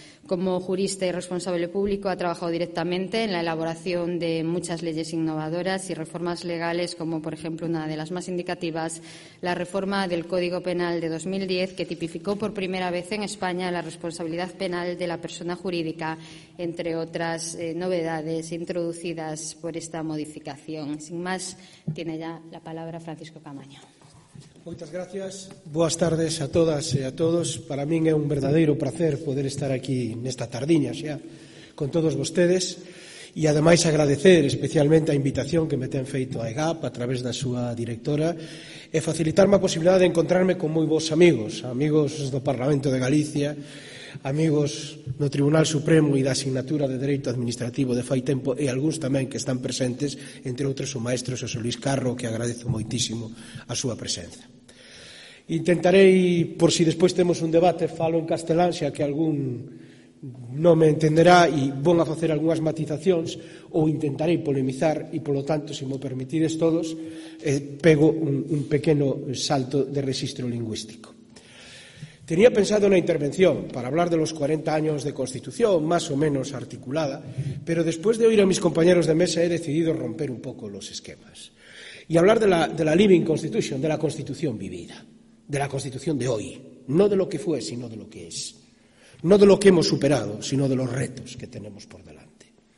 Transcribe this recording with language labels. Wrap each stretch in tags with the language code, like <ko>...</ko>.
<es>Como jurista y responsable público ha trabajado directamente en la elaboración de muchas leyes innovadoras y reformas legales, como por ejemplo una de las más indicativas, la reforma del Código Penal de 2010, que tipificó por primera vez en España la responsabilidad penal de la persona jurídica, entre otras novedades introducidas por esta modificación. Sin más, tiene ya la palabra Francisco Caamaño.</es> <gl>Moitas gracias, boas tardes a todas e a todos. Para min é un verdadeiro prazer poder estar aquí nesta tardiña xa con todos vostedes e ademais agradecer especialmente a invitación que me ten feito a EGAP a través da súa directora e facilitarme a posibilidade de encontrarme con moi bons amigos, amigos do Parlamento de Galicia, amigos do Tribunal Supremo e da Asignatura de Dereito Administrativo de fai tempo e algúns tamén que están presentes, entre outros o maestro José Luis Carro, que agradezo moitísimo a súa presenza. Intentarei, por si despois temos un debate, falo en castelán, xa que algún non me entenderá e vou a facer algunhas matizacións ou intentarei polemizar e, polo tanto, se me permitides todos, pego un pequeno salto de registro lingüístico.</gl> <es>Tenía pensado una intervención para hablar de los 40 años de Constitución, más o menos articulada, pero después de oír a mis compañeros de mesa he decidido romper un poco los esquemas. y hablar de la Living Constitution, de la Constitución vivida, de la Constitución de hoy, no de lo que fue, sino de lo que es, no de lo que hemos superado, sino de los retos que tenemos por delante.</es>